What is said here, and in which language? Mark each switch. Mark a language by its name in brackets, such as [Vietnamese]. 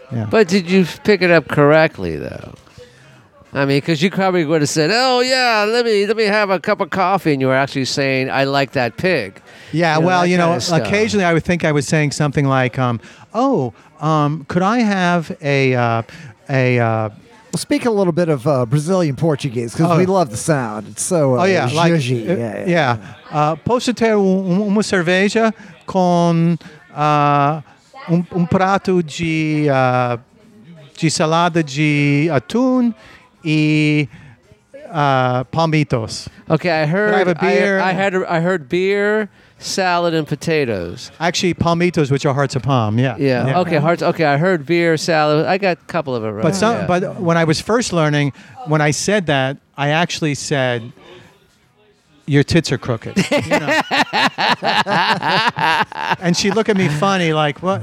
[English] But did you pick it up correctly though? I mean, because you probably would have said, "Oh yeah, let me have a cup of coffee," and you were actually saying, "I like that pig." Yeah, occasionally I would think I was saying something like, could I have speak a little bit of Brazilian Portuguese, because we love the sound. It's so juicy. Yeah. [Portuguese] Posso ter uma cerveja com um prato de salada de atum e palmitos? [English] Okay, I heard... Can I have a beer? I heard beer... salad and potatoes. Actually, palmitos, which are hearts of palm. Yeah. Yeah. Yeah. Okay, hearts. Okay, I heard beer, salad. I got a couple of it right. But some. Yeah. But when I was first learning, when I said that, I actually said, "Your tits are crooked." You know? And she'd look at me funny, like, "What?"